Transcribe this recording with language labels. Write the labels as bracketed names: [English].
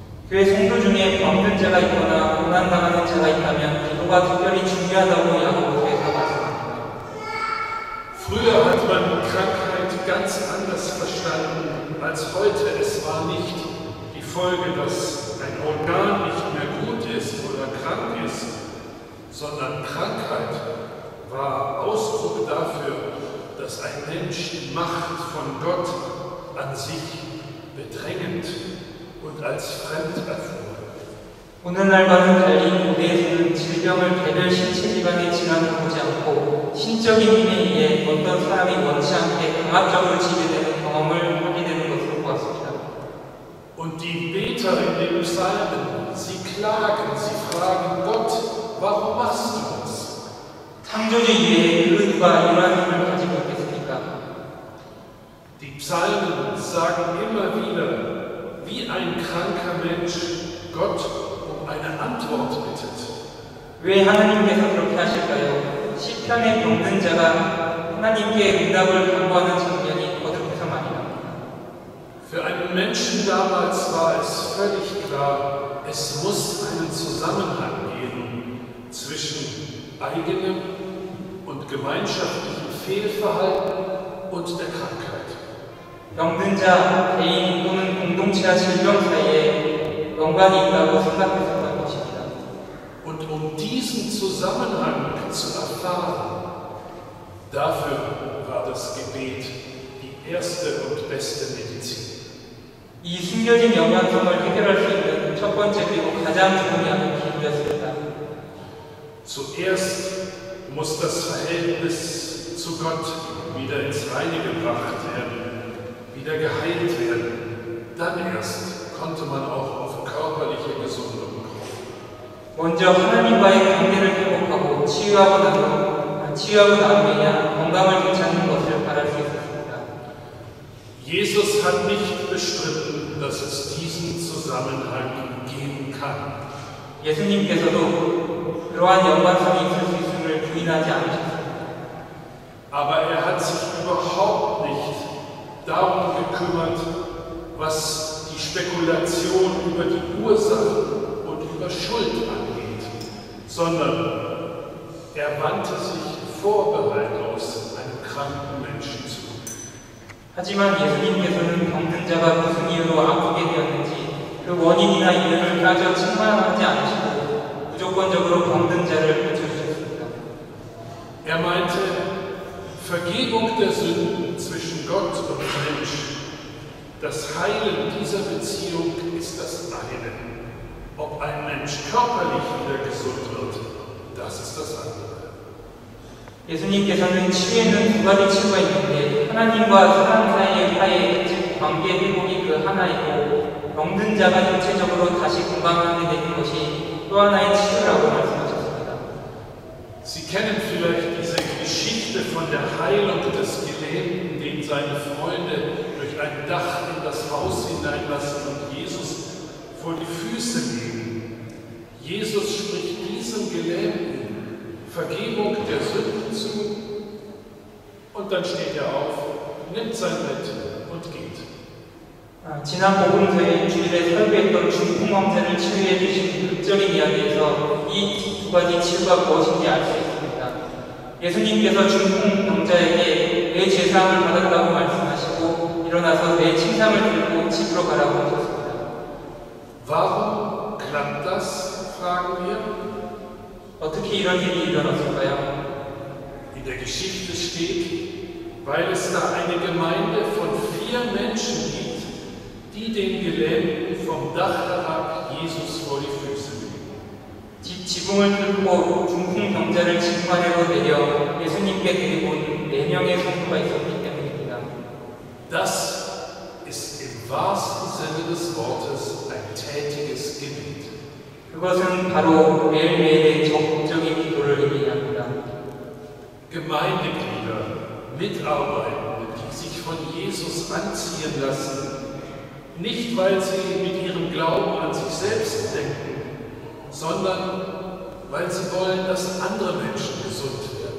[Korean] 그의 성도 중에 병든자가 있거나 고난당하는 자가 있다면 기도가 특별히 중요하다고 야고보서에서 말씀합니다. [German] Früher hat man Krankheit ganz anders verstanden als heute. Es war nicht die Folge, dass ein Organ nicht mehr gut ist oder krank ist, sondern Krankheit war Ausdruck dafür, dass ein Mensch die Macht von Gott an sich bedrängend und als fremd erfuhr. [Korean] 오늘날과는 달리 고대에서는 질병을 개별 신체 기관에 지나보지 않고 신적인 힘에 의해 어떤 사람이 원치 않게 강압적으로 지배되는 경험을 하게 되는 것으로 보았습니다. [German] Und die Beter in den Psalmen, sie klagen, sie fragen Gott, warum machst du das? [Korean] 창조주 이외에 그 누가 이러한 힘을 가지고 있겠습니까? [German] Die Psalmen sagen immer wieder, wie ein kranker Mensch Gott um eine Antwort bittet. [Korean] 왜 하나님께서 그렇게 하실까요? 시편에 병든 자가 하나님께 응답을 간구하는 장면이 어둡해서 말이다. [German] Für einen Menschen damals war es völlig klar, es muss einen Zusammenhang geben zwischen eigenem und gemeinschaftlichem Fehlverhalten und der Krankheit. [Korean] 병든 자, 개인 또는 공동체와 질병 사이에 연관이 있다고 생각했었던 것입니다. [German] Und um diesen Zusammenhang zu erfahren, dafür war das Gebet die erste und beste Medizin. [Korean] 이 숨겨진 연관성을 해결할 수 있는 첫 번째 그리고 가장 중요한 기도였습니다. [German] Zuerst muss das Verhältnis zu Gott wieder ins Reine gebracht werden. Wieder geheilt werden, dann erst konnte man auch auf körperliche Gesundung kommen. [Korean] 먼저 하나님과의 관계를 회복하고 치유하고 나면야 건강을 되찾는 것을 바랄 수 있습니다. [German] Jesus hat nicht bestritten, dass es diesen Zusammenhang geben kann. [Korean] 예수님께서도 그러한 연관성이 있을 수 있음을 부인하지 않으셨습니다. [German] Aber er hat sich überhaupt nicht darum gekümmert, was die Spekulation über die Ursachen und über Schuld angeht, sondern er wandte sich vorbehaltlos einem kranken Menschen zu. [Korean] 하지만 예수님께서는 병든 자가 무슨 이유로 아프게 되었는지 그 원인이나 이유를 따져 책망하지 않으시고 무조건적으로 병든 자를 고쳐주셨습니다. [German] Er meinte, Vergebung der Sünden zwischen Gott und Mensch, das Heilen dieser Beziehung ist das eine. Ob ein Mensch körperlich wieder gesund wird, das ist das andere. [Korean] 예수님께서는 치유에는 두 가지 치유가 있는데 하나님과 사람 사이의 화해, 즉 관계 회복이 그 하나이고 병든 자가 육체적으로 다시 건강하게 되는 것이 또 하나의 치유라고 말씀하셨습니다. [German] Sie kennen vielleicht diese Geschichte von der Heilung des Gelähmten, den seine Freunde durch ein Dach in das Haus hineinlassen und Jesus vor die Füße legen. Jesus spricht diesem Gelähmten Vergebung der Sünden zu. Und dann steht er auf, nimmt sein Bett und geht. [Korean] 지난 복음서에 주일에 설교했던 중풍망자를 치유해 주신 극적인 이야기에서 이 두 가지 치유가 무엇인지 알 수 있습니다. 예수님께서 중풍병자에게 내 죄사함을 받았다고 말씀하시고 일어나서 내 침상을 들고 집으로 가라고 하셨습니다. [German] Warum klappt das? Fragen wir. [Korean] 어떻게 이런 일이 일어났을까요? [German] In der Geschichte steht, weil es da eine Gemeinde von vier Menschen gibt, die den Gelähmten vom Dach herab Jesus vor die Füße legen. [Korean] 지붕을 뚫고 중풍병자를 지붕 아래로 내려 예수님께 데리고 온 네 명의 성도가 있었기 때문입니다. [German] Das ist im wahrsten Sinne des Wortes ein tätiges Gebet. [Korean] 그것은 바로 매일매일의 적극적인 기도를 의미합니다. [German] Gemeindeglieder, Mitarbeiter, die sich von Jesus anziehen lassen, nicht weil sie mit ihrem Glauben an sich selbst denken, sondern weil sie wollen, dass andere Menschen gesund werden.